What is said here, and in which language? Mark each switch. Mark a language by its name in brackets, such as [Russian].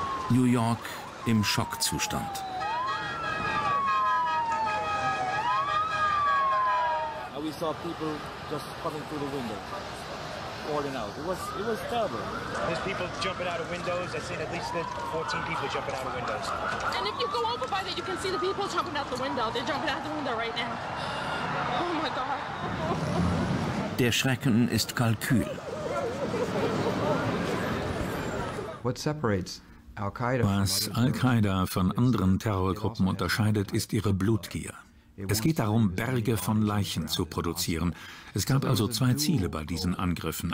[German] New York im Schockzustand. [English] We saw people just coming through the windows, falling out. It was terrible. There's people jumping out of windows. I've seen at least 14 people jumping out of windows. And if you go over by there, you can see the people jumping out the window. They're jumping out the window right now. Oh my God. [German] Der Schrecken ist Kalkül. [English] What separates Al-Qaida? [German] Was Al-Qaida von anderen Terrorgruppen unterscheidet, ist ihre Blutgier. Es geht darum, Berge von Leichen zu produzieren. Es gab also zwei Ziele bei diesen Angriffen.